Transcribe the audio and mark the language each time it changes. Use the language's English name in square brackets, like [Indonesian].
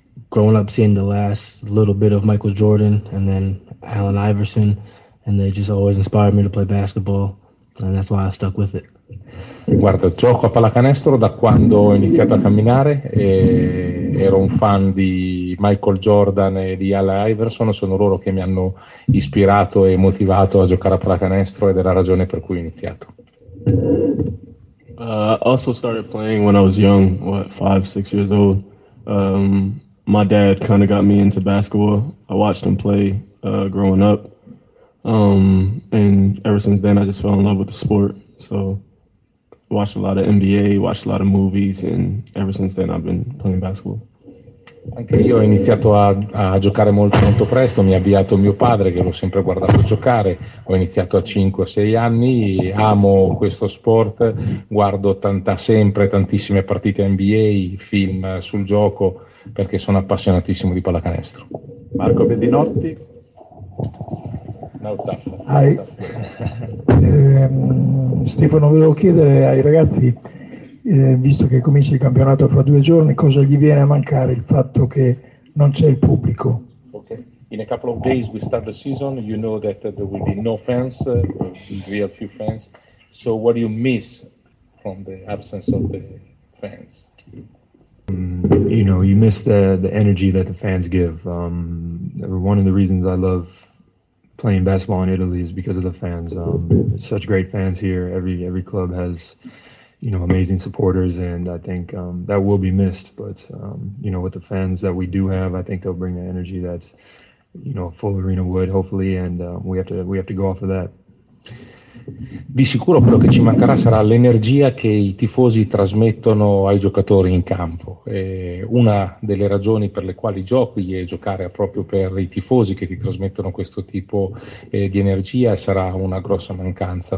[English] growing up seeing the last little bit of Michael Jordan and then Allen Iverson, and they just always inspired me to play basketball, and that's why I stuck with it. [Italian] Guarda, gioco a pallacanestro da quando ho iniziato a camminare. E ero un fan di Michael Jordan e di Allen Iverson. Sono loro che mi hanno ispirato e motivato a giocare a pallacanestro ed è la ragione per cui ho iniziato. [English] Also started playing when I was young, what, 5, 6 years old. My dad kind of got me into basketball. I watched him play growing up, and ever since then I just fell in love with the sport. So watched a lot of NBA, watched a lot of movies, and ever since then I've been playing basketball. [Italian] Anche io ho iniziato a giocare molto molto presto, mi ha avviato mio padre che l'ho sempre guardato giocare, ho iniziato a 5-6 anni, amo questo sport, guardo tantissime partite NBA, film sul gioco, perché sono appassionatissimo di pallacanestro. Marco Bedinotti. [English] No, tough. Hi. [Italian] Stefano, volevo chiedere ai ragazzi, visto che comincia il campionato fra 2 giorni, cosa gli viene a mancare il fatto che non c'è il pubblico? [English] Okay. In a couple of days we start the season. You know that there will be no fans, real few fans. So what do you miss from the absence of the fans? You know, you miss the energy that the fans give. One of the reasons I love playing basketball in Italy is because of the fans. Such great fans here. Every club has, you know, amazing supporters, and I think that will be missed. But you know, with the fans that we do have, I think they'll bring the energy that, you know, a full arena would, hopefully, and we have to go off of that. [Italian] Di sicuro quello che ci mancherà sarà l'energia che i tifosi trasmettono ai giocatori in campo. E una delle ragioni per le quali giochi è giocare proprio per i tifosi che ti trasmettono questo tipo di energia, e sarà una grossa mancanza.